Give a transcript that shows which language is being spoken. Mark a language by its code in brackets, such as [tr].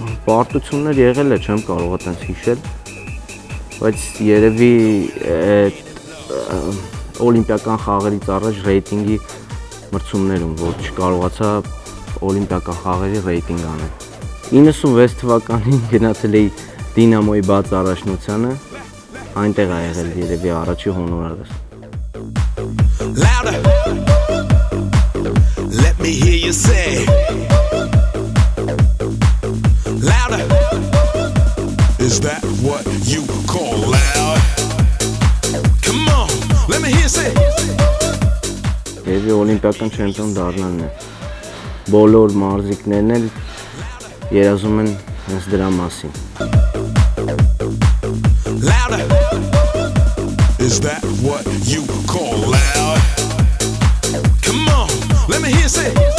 [hy] Պարտություններ եղել է, չեմ կարող այդպես հիշել, բայց երևի այդ օլիմպիական խաղերից առաջ ռեյտինգի մրցումներում, որ չկարողացա օլիմպիական խաղերի ռեյտինգ անել։ 96 թվականին գնացել էի Դինամոյի բաց առաջնությանը, այնտեղ ա եղել երևի առաջի հոնորարը։ [en] Let me hear you say. Louder. Is that what you call loud? Come on, let me hear you say. [hy] Եվի օլիմպիական չեմպիոն դառնալն է։ Բոլոր մարզիկներն էլ երազում են հենց դրա մասին։ [en] Louder. Is that what you call loud? Come on, let me hear you say.